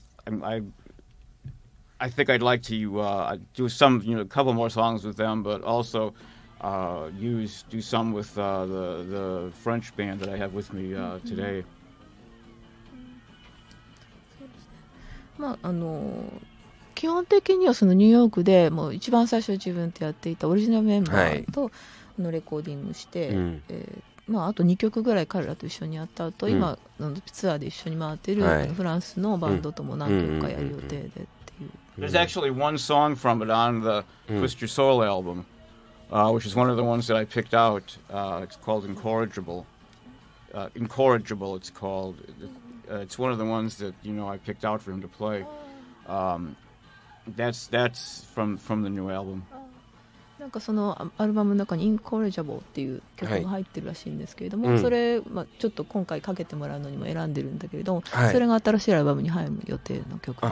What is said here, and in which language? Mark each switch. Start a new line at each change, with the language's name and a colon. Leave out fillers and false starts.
English: But I think I'd like to do some, you know, a couple more songs with them, but also do some with the French band that I have with me today.
Japanese: まああの基本的にはそのニューヨークでもう一番最初自分とやっていたオリジナルメンバーとのレコーディングして、はい、まあ、あと2曲ぐらい彼らと一緒にやった後、うん、今のツアーで一緒に回ってるフランスのバンドとも何曲かやる予定でっていう。
English: There's actually one song from it on the Twist Your Soul album, which is one of the ones that I picked out. It's called Incorrigible. Incorrigible, it's called. It's one of the ones that, you know, I picked out for him to play. That's from the new album.
Japanese: なんかそのアルバムの中に Incorrigible っていう曲が入ってるらしいんですけれども、はい、それ、まあ、ちょっと今回かけてもらうのにも選んでるんだけれども、はい、それが新しいアルバムに入る予定の曲です。